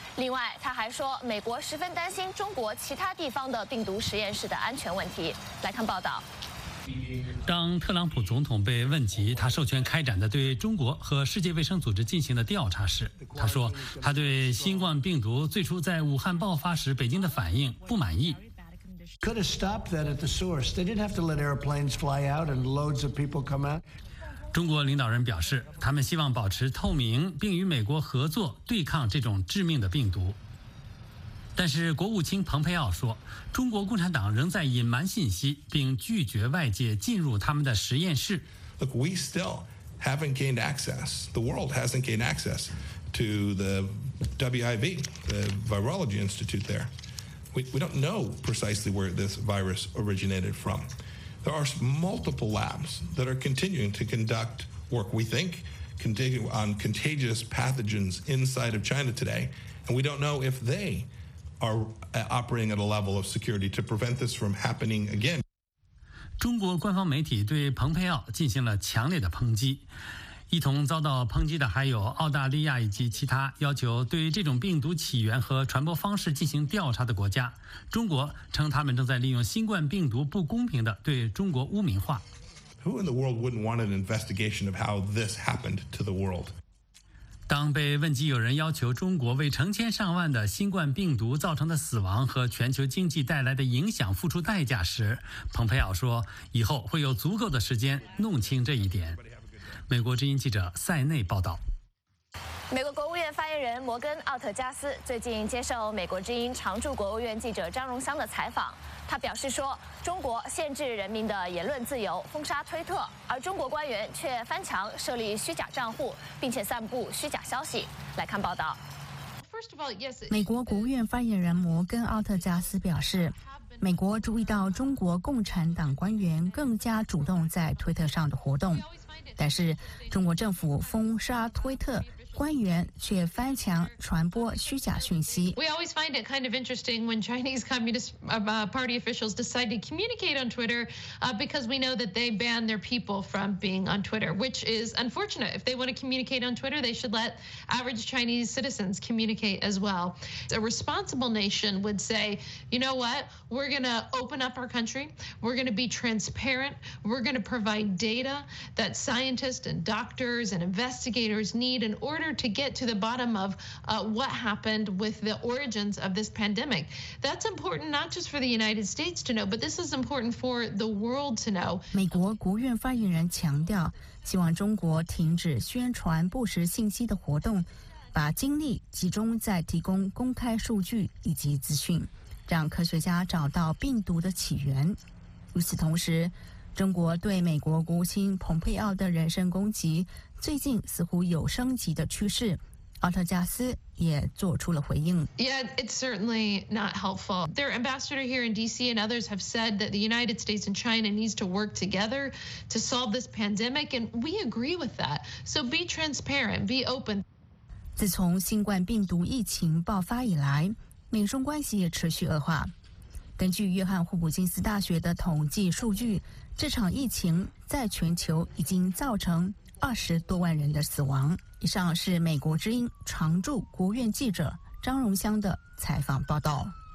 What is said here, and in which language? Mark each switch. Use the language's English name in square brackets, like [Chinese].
[Chinese] 另外，他还说，美国十分担心中国其他地方的病毒实验室的安全问题。来看报道。当特朗普总统被问及他授权开展的对中国和世界卫生组织进行的调查时，他说他对新冠病毒最初在武汉爆发时北京的反应不满意。 [English] Could have stopped that at the source. They didn't have to let airplanes fly out and loads of people come out. [Chinese] 中国领导人表示，他们希望保持透明，并与美国合作对抗这种致命的病毒。但是国务卿蓬佩奥说，中国共产党仍在隐瞒信息，并拒绝外界进入他们的实验室。 [English] Look, we still haven't gained access. The world hasn't gained access to the WIV, the Virology Institute there. We don't know precisely where this virus originated from. There are multiple labs that are continuing to conduct work, we think, on contagious pathogens inside of China today, and we don't know if they. Are operating at a level of security to prevent this from happening again. [Chinese] 中国官方媒体对蓬佩奥进行了强烈的抨击，一同遭到抨击的还有澳大利亚以及其他要求对这种病毒起源和传播方式进行调查的国家。中国称他们正在利用新冠病毒不公平地对中国污名化。 [English] Who in the world wouldn't want an investigation of how this happened to the world? [Chinese] 当被问及有人要求中国为成千上万的新冠病毒造成的死亡和全球经济带来的影响付出代价时，蓬佩奥说，以后会有足够的时间弄清这一点。美国之音记者塞内报道。美国国务院发言人摩根·奥特加斯最近接受美国之音常驻国务院记者张荣香的采访，他表示说，中国限制人民的言论自由，封杀推特，而中国官员却翻墙设立虚假账户，并且散布虚假消息。来看报道。美国国务院发言人摩根·奥特加斯表示，美国注意到中国共产党官员更加主动在推特上的活动，但是中国政府封杀推特，官员却翻墙传播虚假讯息。 [English] We always find it kind of interesting when Chinese Communist Party officials decide to communicate on Twitter, because we know that they ban their people from being on Twitter, which is unfortunate. If they want to communicate on Twitter, they should let average Chinese citizens communicate as well. A responsible nation would say, you know what? We're going to open up our country. We're going to be transparent. We're going to provide data that scientists and doctors and investigators need in order. To get to the bottom of what happened with the origins of this pandemic. That's important not just for the United States to know, but this is important for the world to know. [Chinese] 美国国务院发言人强调，希望中国停止宣传不实信息的活动，把精力集中在提供公开数据以及资讯，让科学家找到病毒的起源。与此同时，中国对美国国务卿蓬佩奥的人身攻击最近似乎有升级的趋势，奥特加斯也做出了回应。 [English] Yeah, it's certainly not helpful. Their ambassador here in D.C. and others have said that the United States and China needs to work together to solve this pandemic, and we agree with that. So be transparent, be open. [Chinese] 自从新冠病毒疫情爆发以来，美中关系持续恶化。根据约翰霍普金斯大学的统计数据，这场疫情在全球已经造成20多万人的死亡。以上是美国之音常驻国务院记者张荣香的采访报道。